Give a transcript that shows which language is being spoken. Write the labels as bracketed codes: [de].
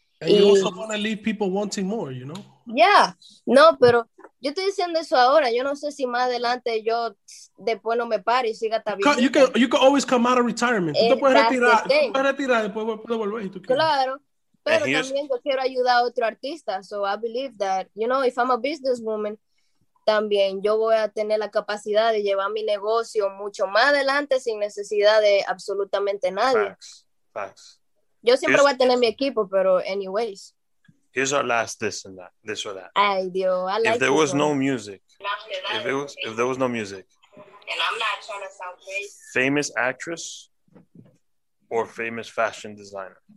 [en] And you also want to leave people wanting more, you know? [es] Yeah, no, pero yo estoy diciendo eso ahora, yo no sé si más adelante yo después no me pare y siga tabiendo. [en] You can always come out of retirement. [es] Tú te puedes retirar, después puedes volver y tú quieres. Claro. Pero también yo quiero ayudar a otro artista. [en] So I believe that, you know, if I'm a businesswoman, [es] también yo voy a tener la capacidad de llevar mi negocio mucho más adelante sin necesidad de absolutamente nadie. [en] Facts. [es] Yo siempre voy a tener mi equipo, pero anyways. [en] Here's our last this and that, this or that. [es] Ay, Dios. Like [en] if there was no music, if there was no music, and I'm not trying to sound crazy. Famous actress or famous fashion designer?